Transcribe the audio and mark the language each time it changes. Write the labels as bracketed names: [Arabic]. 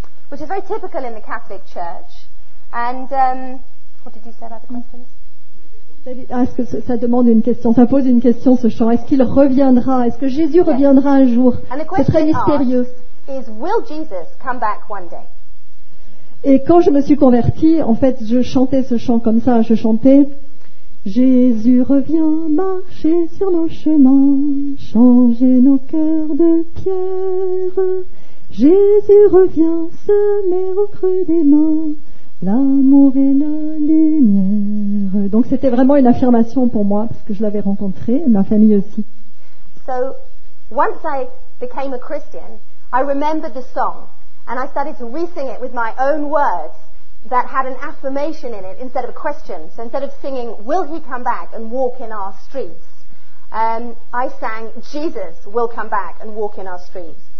[English] Which is very typical in the Catholic Church. And what did you say about the questions? [French] David, est-ce que ça demande une question, ça pose une question ce chant. Est-ce qu'il reviendra? Est-ce que Jésus reviendra un jour? C'est très mystérieux. [English] Is, will Jesus come back one day? [French] Et quand je me suis convertie, en fait, je chantais ce chant comme ça. Je chantais Jésus revient marcher sur nos chemins, changer nos cœurs de pierre. Jésus revient semer au creux des mains L'amour et la lumière. Donc c'était vraiment une affirmation pour moi parce que je l'avais rencontré, ma famille aussi. [English] So once I became a Christian, I remembered the song and I started to re-sing it with my own words that had an affirmation in it instead of a question. So instead of singing "Will he come back and walk in our streets?" I sang "Jesus will come back and walk in our streets.